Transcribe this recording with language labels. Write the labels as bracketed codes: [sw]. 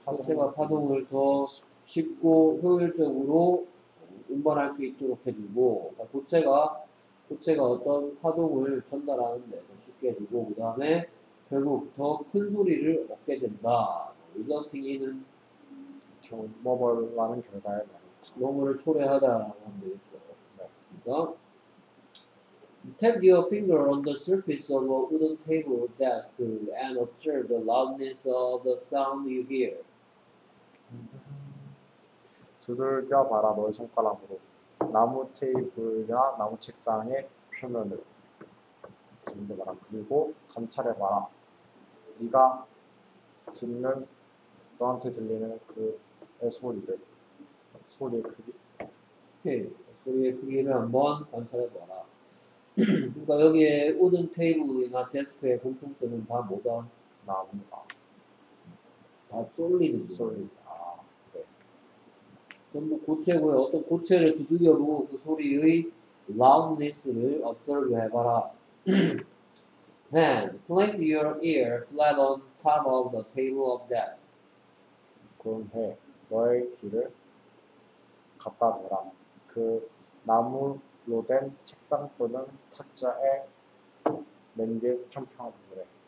[ko] 고체가 파동을 더 쉽고 효율적으로 운반할 수 있도록 해주고 고체가 어떤 파동을 전달하는데 더 쉽게 해주고 그 다음에 결국 더 큰 소리를 얻게 된다. [en] resulting in은 [ko] 뭐뭐라는 결과에 뭐뭐를 초래하다 하면 되겠죠. 그러니까 [en] Tap your finger on the surface of a wooden table or desk and observe the loudness of the sound you hear. [ko] 두들겨 봐라 너의 손가락으로 나무 테이블이나 나무 책상의 표면을 두들겨 봐라 그리고 관찰해 봐라 네가 듣는 너한테 들리는 그의 소리를 소리의 크기. 오케이 소리의 크기를 한번 관찰해 봐라. 그러니까 여기에 우든 테이블이나 데스크의 공통점은 다 뭐다? 나무다. 다 솔리드. 솔리드. 아, 네. 전부 고체고요. 어떤 고체를 두드려보고 그 소리의 loudness를 observe 해봐라. [en] Then place your ear flat on top of the table of desk. [ko] 그럼 해. 너의 귀를 갖다 대라. 그 나무 로덴 책상 또는 탁자에 맨뒤 평평하게 그래.